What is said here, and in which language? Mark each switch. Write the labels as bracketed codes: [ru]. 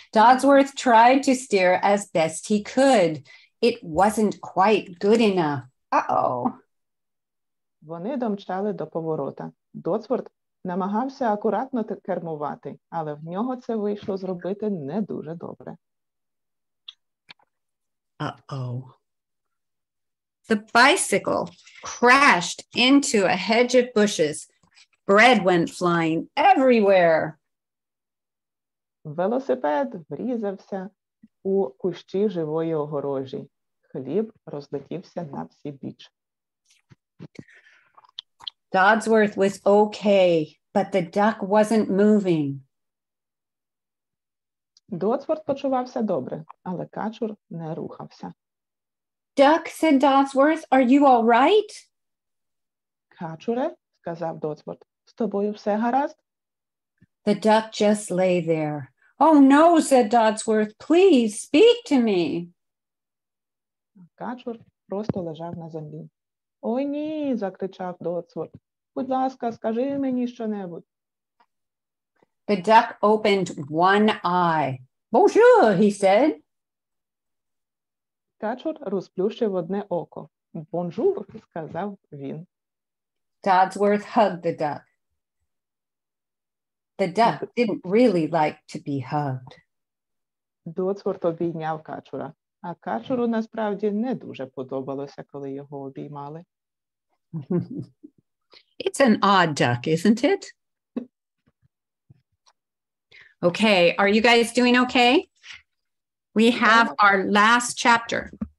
[en] Dodsworth tried to steer as best he could. It wasn't quite good enough. Uh-oh. [uk] Вони домчали до поворота. Dodsworth намагався акуратно кермувати, але в нього це вийшло зробити не дуже добре. Uh-oh. [en] The bicycle crashed into a hedge of bushes. Bread went flying everywhere. [uk] Велосипед врізався у кущі живої огорожі. Хліб розлетівся на всі біч. [en] Dodsworth was okay, but the duck wasn't moving. [uk] Dodsworth почувався добре, але качур не рухався. [en] Duck, said Dodsworth, are you all right? [uk] Качуре, сказав Dodsworth, з тобою все гаразд? [en] The duck just lay there. Oh no, said Dodsworth, please speak to me. [uk] Качур просто лежав на землі. О ні, закричав Dodsworth, будь ласка, скажи мені щонебудь. [en] The duck opened one eye. Bonjour, he said. [uk] Качур розплющив одне око. Бонжур, сказав він. [en] Dodsworth hugged the duck. The duck didn't really like to be hugged. [uk] Dodsworth обійняв качура, а качуру насправді не дуже подобалося, коли його обіймали. [en] It's an odd duck, isn't it? Okay, are you guys doing okay? We have our last chapter.